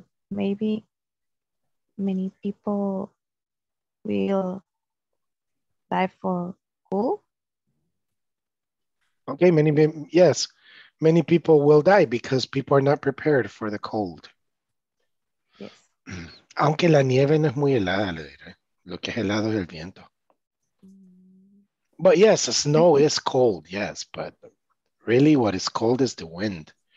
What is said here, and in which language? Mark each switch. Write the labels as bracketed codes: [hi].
[en] Maybe many people will die for cool. Okay, many people will die because people are not prepared for the cold. Yes. [es] Aunque la nieve no es muy helada, le diré. Lo que es helado es el viento. [en] But yes, snow is cold, yes, but really what is cold is the wind.